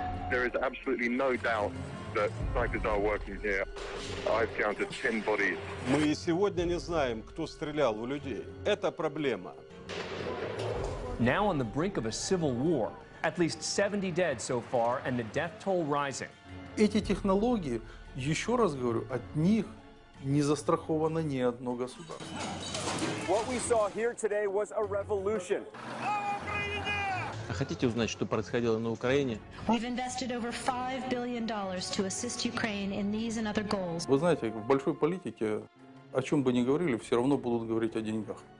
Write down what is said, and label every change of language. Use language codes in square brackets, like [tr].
[en] There is absolutely no doubt that snipers are working here. I've counted 10 bodies. [ru] Мы сегодня не знаем, кто стрелял в людей. Это проблема. [en] Now on the brink of a civil war, at least 70 dead so far, and the death toll rising. [ru] Эти технологии, еще раз говорю, от них не застраховано ни одно государство. [en] What we saw here today was a revolution. [ru] А хотите узнать, что происходило на Украине? [en] We've invested over $5 billion to assist Ukraine in these and other goals. [ru] Вы знаете, в большой политике, о чем бы ни говорили, все равно будут говорить о деньгах.